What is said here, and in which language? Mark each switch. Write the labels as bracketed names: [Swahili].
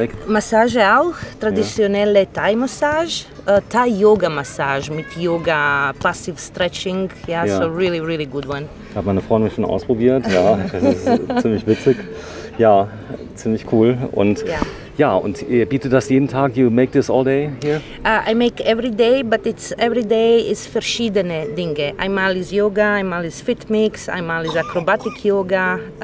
[German] Massage auch. Traditionelle Thai-Massage. Thai-Yoga-Massage mit Yoga, Passive Stretching. [English] Yeah, yeah. So really, really good one. [German] Ich habe meine Freundin schon ausprobiert. Ja, das ist ziemlich witzig. Ja, ziemlich cool. Und ja, und ihr bietet das jeden Tag? [English] You make this all day here? I make every day, but it's every day is [German] verschiedene Dinge. Einmal ist Yoga, einmal ist Fitmix, einmal ist Acrobatic Yoga.